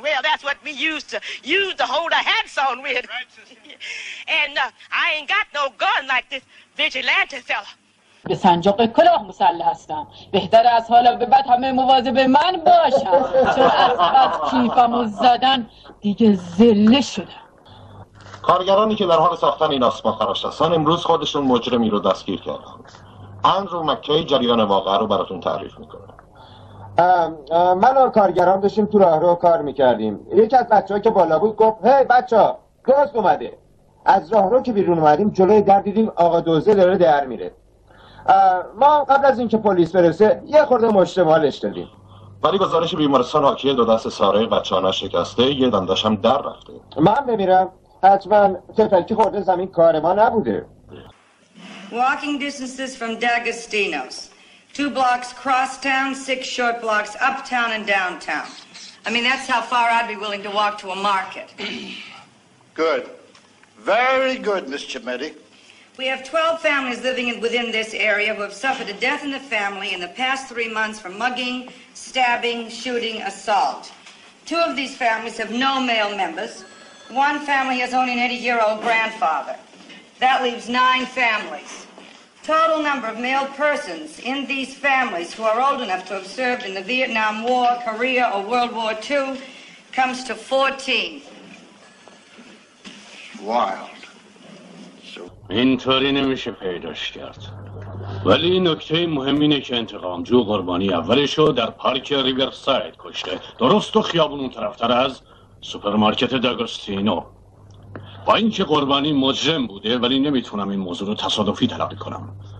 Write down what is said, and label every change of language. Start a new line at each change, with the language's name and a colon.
English: Well, that's what we used to hold our hats on with. Right, and I ain't got no gun like this vigilante fella.
Persian: به سنجاق کلاه مسلح هستم. بهتر از حالا به بعد همه مواظب من باشن. چون از بس کیفمو زدن دیگه زله شده. کارگرانی که در حال ساختن این آسمان خراش هستن امروز خودشون مجرمی رو دستگیر کردن. اندرو مکی جریان واقعه رو براتون تعریف میکنه. من و کارگران داشتیم تو راه رو کار میکردیم. یکی از بچه که بالا بود گفت هی بچه ها گاز اومده. از راه رو که بیرون اومدیم جلوی در دیدیم آقا دوزه داره در میره. ما قبل از اینکه پلیس برسه یه خورده مشتمالش دادیم. ولی گزارش بیمارستان حاکیه دو دست ساره و چانه شکسته، یه دندش هم در رفته. من ببینم، حتما تفلکی خورده زمین، کار ما نبوده.
English: Walking distances from D'Agostino's. Two blocks cross town, six short blocks uptown and downtown. I mean, that's how far I'd be willing to walk to a market. Good. Very good, Miss Chimetti. We have 12 families living within this area who have suffered a death in the family in the past 3 months from mugging, stabbing, shooting, assault. Two of these families have no male members. One family has only an 80-year-old grandfather. That leaves 9 families. Total number of male persons in these families who are old enough to have served in the Vietnam War, Korea, or World War II comes to 14. Wild. So.
Persian: اینطوری نمیشه پیداش کرد. ولی نکته مهم اینه که انتقامجو قربانی اولشو در پارک ریورساید کشته. درست تو خیابون اون طرفتر از سوپرمارکت داگستینو. با اینکه قربانی مجرم بوده ولی نمیتونم این موضوع رو تصادفی تلقی کنم.